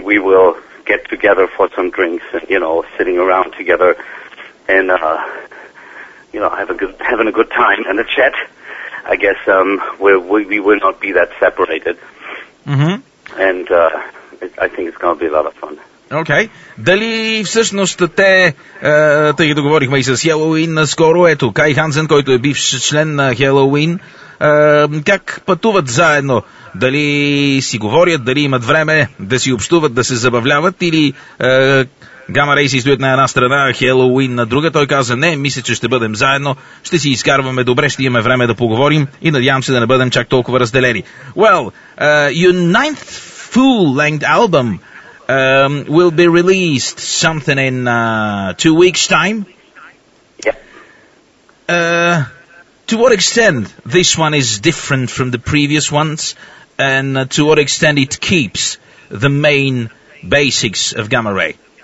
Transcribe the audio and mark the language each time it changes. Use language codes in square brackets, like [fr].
[en] We will get together for some drinks, and, you know, sitting around together, and you know, having a good time and a chat. I guess we will not be that separated. Mm-hmm. And I think it's going to be a lot of fun. Okay. [bg] Дали всъщност те, тъй договорихме и с Хелоуин наскоро, ето, Кай Хансен, който е бивш член на Хелоуин, как пътуват заедно? Дали си говорят, дали имат време да си общуват, да се забавляват, или Гама Рей си стоят на една страна, Хелоуин на друга? Той каза, не, мисля, че ще бъдем заедно, ще си изкарваме добре, ще имаме време да поговорим и надявам се да не бъдем чак толкова разделени. [en] Well, your ninth full-length album will be released something in 2 weeks' time. Yeah. To what extent this one is different from the previous ones, and to what extent it keeps the main basics of Gamma Ray?